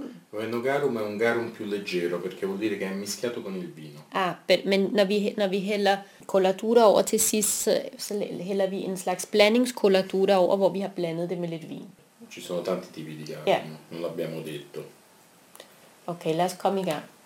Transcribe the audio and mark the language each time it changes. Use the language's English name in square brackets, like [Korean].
[Italian] oeno garum è un garum più leggero, perché vuol dire che è mischiato con il vino. [Danish] Ah, men når vi hælder colatura over til sidst, så hælder vi en slags blandingscolatura over, hvor vi har blandet det med lidt vin. [Italian] Ci sono tanti tipi di garum, yeah. Non l'abbiamo detto. [Danish] Okay, lad os komme i gang.